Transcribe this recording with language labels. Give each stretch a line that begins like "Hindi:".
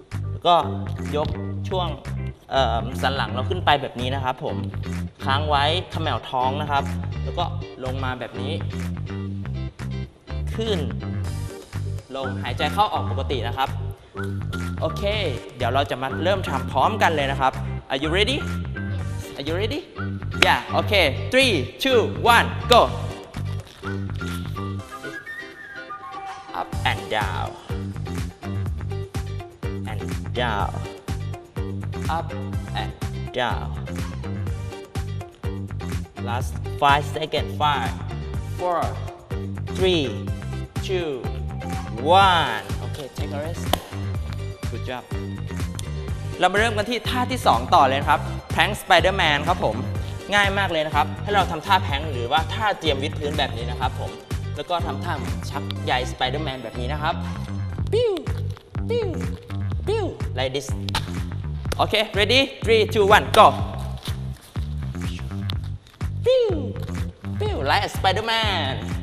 Thai: แล้วก็ยกช่วงสันหลังเราขึ้นไปแบบนี้นะครับผมค้างไว้ขมิ้วท้องนะครับแล้วก็ลงมาแบบนี้ขึ้นลงหายใจเข้าออกปกตินะครับโอเคเดี๋ยวเราจะมาเริ่มทำพร้อมกันเลยนะครับ
English: Are you ready? Are you ready? Yeah okay 3 2 1 go up and down and down up and down last 5 seconds 5 4 3 2 1 okay take a restGood job.
Thai: เรามาเริ่มกันที่ท่าที่2ต่อเลยครับแพ้งสไปเดอร์แมนครับผมง่ายมากเลยนะครับให้เราทำท่าแพ้งหรือว่าท่าเตรียมวิดพื้นแบบนี้นะครับผมแล้วก็ทำท่าชักใยสไปเดอร์แมนแบบนี้นะครับปิ้วปิ้วปิ้ว
English: like this
Thai: โอเค
English: ready 3 2 1 go
Thai: ปิ้วปิ้ว
English: like a spider man